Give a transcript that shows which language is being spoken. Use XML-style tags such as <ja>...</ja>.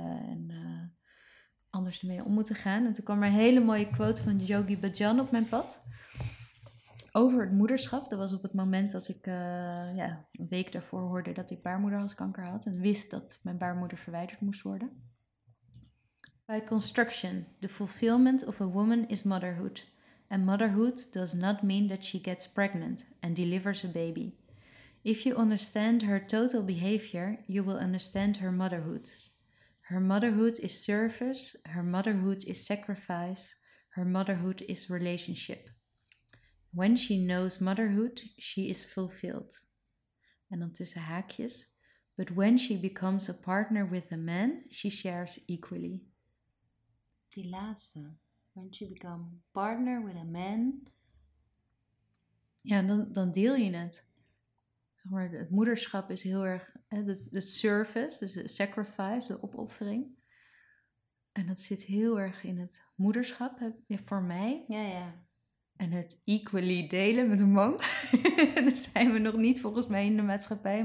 <nl>En anders ermee om moeten gaan. En toen kwam er een hele mooie quote van Yogi Bhajan op mijn pad. Over het moederschap. Dat was op het moment dat ik ja, een week daarvoor hoorde dat ik baarmoederhalskanker had. En wist dat mijn baarmoeder verwijderd moest worden.</nl> <en>By construction, the fulfillment of a woman is motherhood. And motherhood does not mean that she gets pregnant and delivers a baby. If you understand her total behavior, you will understand her motherhood. Her motherhood is service. Her motherhood is sacrifice. Her motherhood is relationship. When she knows motherhood, she is fulfilled.</en> <nl>En dan tussen haakjes.</nl> <en>But when she becomes a partner with a man, she shares equally.</en> <nl>Die laatste.</nl> <en>When she becomes a partner with a man.</en> <nl>Ja, dan deel je het. Zeg maar, het moederschap is heel erg... De service, dus de sacrifice, de opoffering. En dat zit heel erg in het moederschap, voor mij. Ja, ja. En het equally delen met een man. Daar zijn we nog niet volgens mij in de maatschappij.</nl>